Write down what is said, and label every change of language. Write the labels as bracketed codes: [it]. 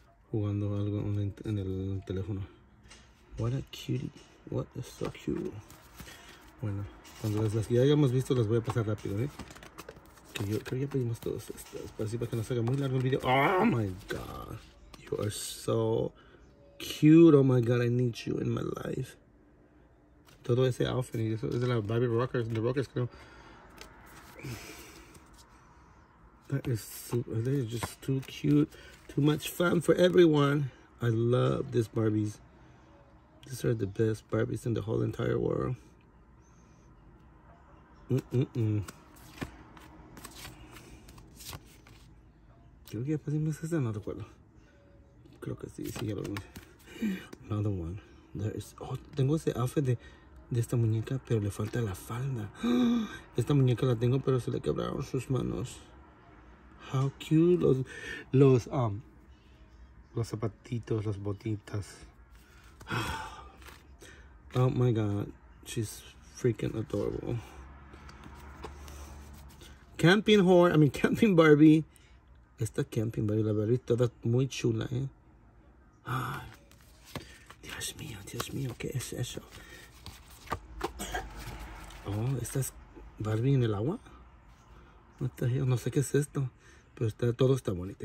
[es] jugando algo en el teléfono. [en] What a cutie. What is so cute. [es] Bueno, cuando las que ya hayamos visto, las voy a pasar rápido, ¿eh? Que yo creo que ya pedimos todas estas. Para así, para que no se haga muy largo el video. [en] Oh my god. You are so cute. Oh my god, I need you in my life. [es] Todo ese outfit y eso es de la Barbie Rockers, The Rockers, creo. [en] That is super, they are just too cute. Too much fun for everyone. I love these Barbies. These are the best Barbies in the whole entire world. [es] Creo que ya pedimos este, no recuerdo. Creo que sí, sí, ya lo vi. [en] Another one. There is, oh, [es] tengo ese outfit de esta muñeca, pero le falta la falda. Esta muñeca la tengo, pero se le quebraron sus manos. [en] How cute. [es] Los zapatitos, las botitas. [en] Oh my god. She's freaking adorable. Camping whore, I mean camping Barbie. [es] Esta camping Barbie, la Barbie toda muy chula, eh. Ay, Dios mío, ¿qué es eso? Oh, esta es Barbie en el agua. No sé qué es esto, pero está, todo está bonito.